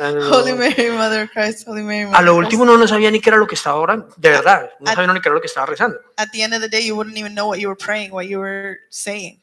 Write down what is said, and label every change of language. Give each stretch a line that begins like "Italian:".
English: Holy Mary, Mother of Christ, Holy Mary, Mother
Spanish: A lo último uno no sabía ni qué era lo que estaba orando, de verdad. No sabía ni qué era lo que estaba rezando.
English: At the end of the day, you wouldn't even know what you were praying, what you were saying.